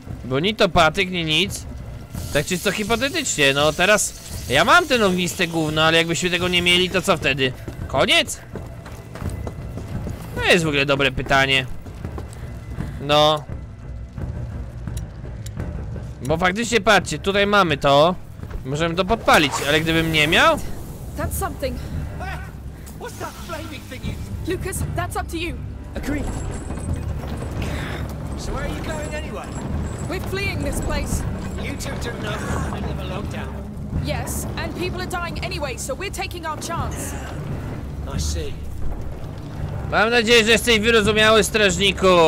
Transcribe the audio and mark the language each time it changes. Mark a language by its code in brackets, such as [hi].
[pl] Bo ni to patyk, ni nic. Tak czysto hipotetycznie, no teraz ja mam ten ogniste gówno, ale jakbyśmy tego nie mieli, to co wtedy? Koniec? To jest w ogóle dobre pytanie. No. Bo faktycznie, patrzcie, tutaj mamy to. Możemy to podpalić, ale gdybym nie miał. [en] That's something. What's that flaming thing? Lucas, that's up to you. Agree. So where are you going anyway? We're fleeing this place. You two don't know how to live a lockdown. Yes, and people are dying anyway, so we're taking our chance. I see. [pl] Mam nadzieję, że jesteś wyrozumiały, strażniku.